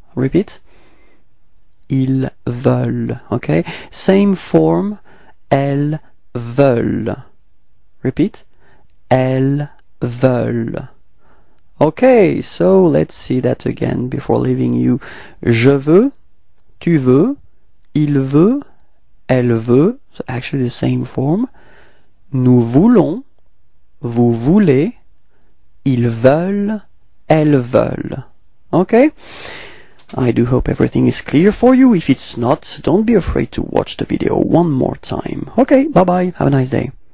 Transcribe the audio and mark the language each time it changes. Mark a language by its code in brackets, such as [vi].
[en] Repeat. [fr] Ils veulent, [en] okay, same form, [fr] elles veulent. [en] Repeat. [fr] Elles veulent. [en] Okay, so let's see that again before leaving you. [fr] Je veux, tu veux, il veut, elle veut. [en] So actually the same form. [fr] Nous voulons, vous voulez, ils veulent, elles veulent. Okay? [en] I do hope everything is clear for you. If it's not, don't be afraid to watch the video one more time. Okay, bye bye, have a nice day.